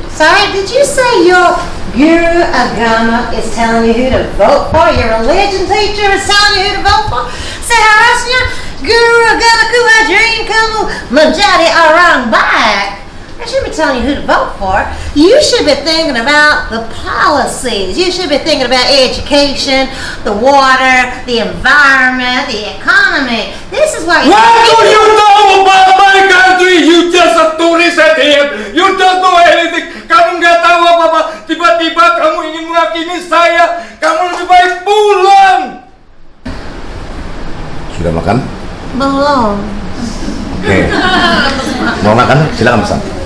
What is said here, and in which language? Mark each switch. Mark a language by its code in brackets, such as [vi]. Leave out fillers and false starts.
[en] Sorry, did you say your [id] guru agama [en] is telling you who to vote for? Your religion teacher is telling you who to vote for? [id] Seharusnya guru agama ku ajarin kamu menjadi orang baik. [en] I shouldn't be telling you who to vote for. You should be thinking about the policies. You should be thinking about education, the water, the environment, the economy. This is what you Why do you know about my country? You just a tourist at here. You don't know anything. [id] Kamu gak tahu apa-apa. Tiba-tiba kamu ingin menghakimi saya. Kamu lebih baik pulang. Sudah makan? Belum. Oke. Okay. Mau makan? Silakan pesan.